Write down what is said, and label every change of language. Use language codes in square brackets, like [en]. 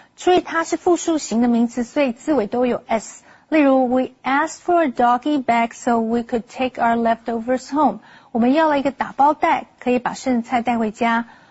[zh] 注意它是复数型的名词, 所以字尾都有S。 [en] 例如, we asked for a doggy bag so we could take our leftovers home. [zh] 我们要了一个打包袋, 可以把剩菜带回家。